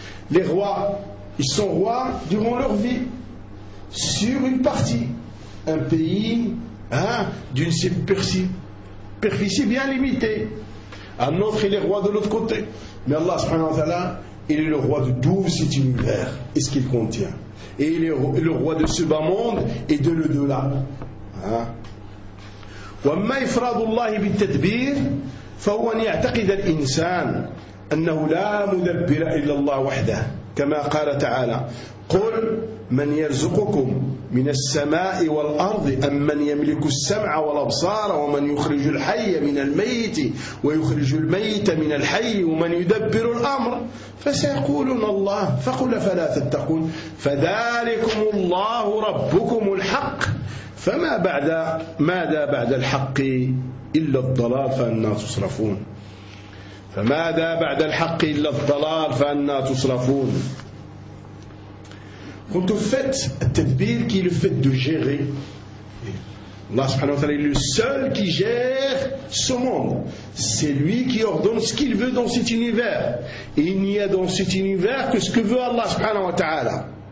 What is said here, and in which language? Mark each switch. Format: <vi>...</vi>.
<fr>Les rois, ils sont rois durant leur vie, sur une partie, un pays, hein, d'une superficie bien limitée. Un autre, il est roi de l'autre côté. Mais Allah subhanahu wa ta'ala, il est le roi de tout cet univers et ce qu'il contient. Et il est le roi de ce bas monde et de l'au-delà. Hein?</fr> <ar>وما إفراد الله بالتدبير فهو أن يعتقد الإنسان أنه لا مدبر إلا الله وحده كما قال تعالى قل من يرزقكم من السماء والأرض أم من يملك السمع والأبصار ومن يخرج الحي من الميت ويخرج الميت من الحي ومن يدبر الأمر فسيقولون الله فقل فلا تتقون فذلكم الله ربكم الحق فما بعد ماذا بعد الحق إلا الضلال فأنى تصرفون فماذا بعد الحق إلا الضلال فأنى تصرفون.</ar> <fr>Quant au fait, tadbir qui est le fait de gérer, Allah subhanahu wa ta'ala est le seul qui gère ce monde. C'est lui qui ordonne ce qu'il veut dans cet univers. Et il n'y a dans cet univers que ce que veut Allah subhanahu wa ta'ala.</fr>